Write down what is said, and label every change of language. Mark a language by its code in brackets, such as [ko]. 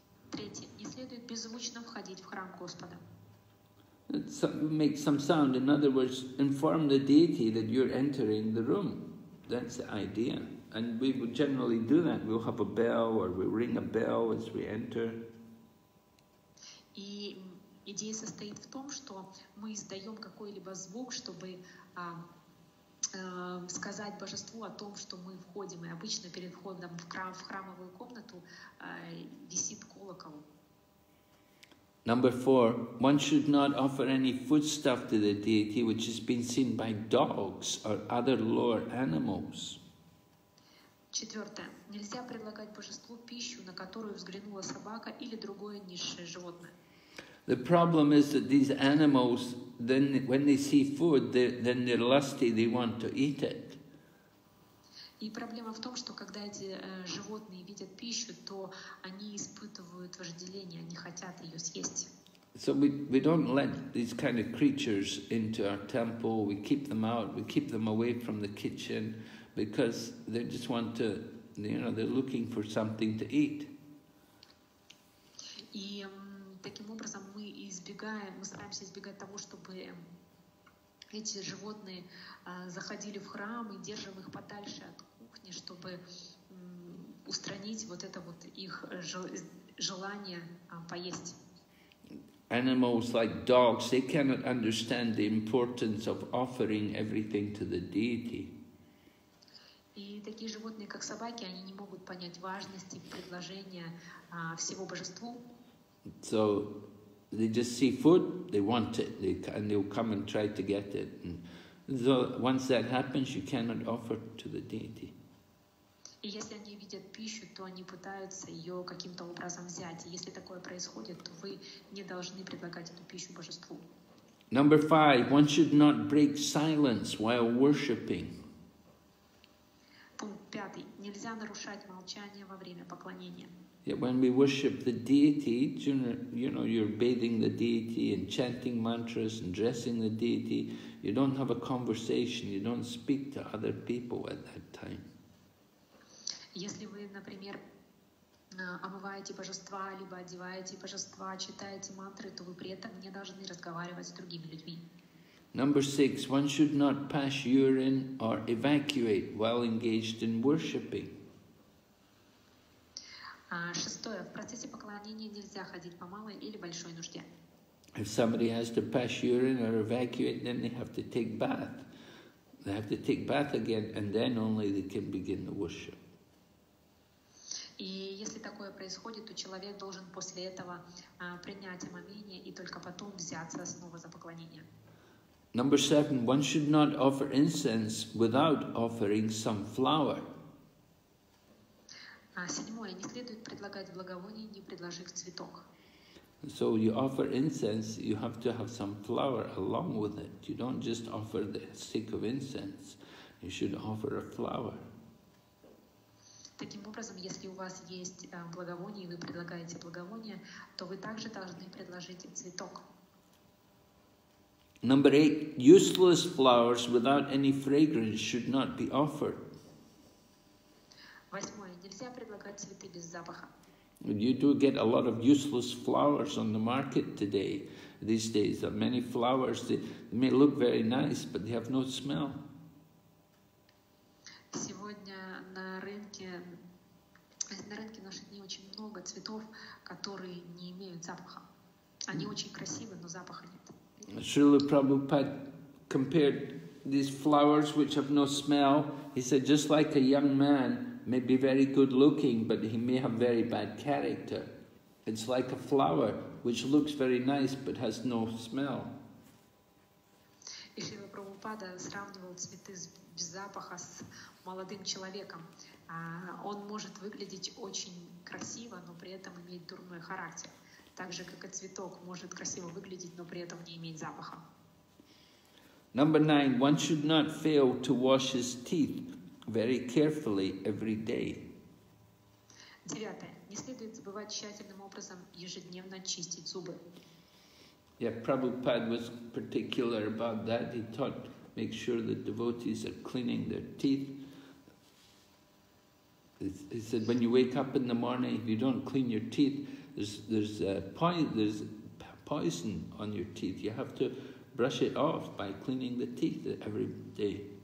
[ru] Третье, не следует беззвучно входить в храм Господа. [en] Make some sound, in other words, inform the deity that you're entering the room. That's the idea. And we would generally do that. We'll have a bell or we'll ring a bell as we enter. [ru] И идея состоит в том, что мы издаем какой-либо звук, чтобы сказать божеству о том, что мы входим. И обычно перед входом в храмовую комнату висит колокол. [en] Number four, one should not offer any foodstuff to the deity which has been seen by dogs or other lower animals. [ru] Четвертое. Нельзя предлагать божеству пищу, на которую взглянула собака или другое низшее животное. [en] The problem is that these animals, then when they see food, then they're lusty, they want to eat it. [ru] И проблема в том, что когда эти животные видят пищу, то они испытывают вожделение, они хотят ее съесть. [en] So we don't let these kind of creatures into our temple, we keep them out, we keep them away from the kitchen, because they just want to, you know, they're looking for something to eat. [ru] И таким образом мы стараемся избегать того, чтобы эти животные заходили в храм и держим их подальше от кухни, чтобы устранить вот это вот их желание поесть. [en] Animals like dogs, they cannot understand the importance of offering everything to the deity. [ru] И такие животные, как собаки, они не могут понять важности предложения всего божеству. [en] So they just see food, they want it, and they'll come and try to get it. And so once that happens, you cannot offer to the deity. [ru] И если они видят пищу, то они пытаются ее каким-то образом взять. И если такое происходит, то вы не должны предлагать эту пищу божеству. [en] Number five, one should not break silence while worshipping. [ru] Пункт пятый. Нельзя нарушать молчание во время поклонения. [en] Yet when we worship the deity, you know, you're bathing the deity and chanting mantras and dressing the deity, you don't have a conversation, you don't speak to other people at that time. [ru] Если вы, например, омываете божества, либо одеваете божества, читаете мантры, то вы при этом не должны разговаривать с другими людьми. [en] Number six, one should not pass urine or evacuate while engaged in worshipping. [ru] Шестое. В процессе поклонения нельзя ходить по малой или большой нужде. [en] If somebody has to pass urine or evacuate, then they have to take bath. They have to take bath again, and then only they can begin the worship. [ru] И если такое происходит, то человек должен после этого принять омовение и только потом взяться снова за поклонение. [en] Number seven. One should not offer incense without offering some flower. [ru] Седьмое. Не следует предлагать благовоние, не предложив цветок. [en] So you offer incense, you have to have some flower along with it. You don't just offer the stick of incense, you should offer a flower. [ru] Таким образом, если у вас есть благовоние, и вы предлагаете благовоние, то вы также должны предложить цветок. [en] Number eight. Useless flowers without any fragrance should not be offered. [ru] Восьмое. Нельзя предлагать цветы без запаха. [en] You do get a lot of useless flowers on the market today, these days. There are many flowers that may look very nice, but they have no smell. Сегодня на рынке в наши дни очень много цветов, которые не имеют запаха. Они очень красивы, но запаха нет. Srila Prabhupada compared these flowers which have no smell. He said, just like a young man may be very good looking, but he may have very bad character. It's like a flower which looks very nice but has no smell. [ru] Srila Prabhupada сравнивал цветы без запаха с молодым человеком. Он может выглядеть очень красиво, но при этом иметь дурной характер. Так же, как и цветок может красиво выглядеть, но при этом не иметь запаха. [en] Number 9. One should not fail to wash his teeth very carefully every day. [ru] 9. Не следует забывать тщательным образом ежедневно чистить зубы. [en] Yeah, Prabhupada was particular about that. He taught, make sure the devotees are cleaning their teeth. He said, when you wake up in the morning, if you don't clean your teeth, there's poison on your teeth. You have to brush it off by cleaning the teeth every day.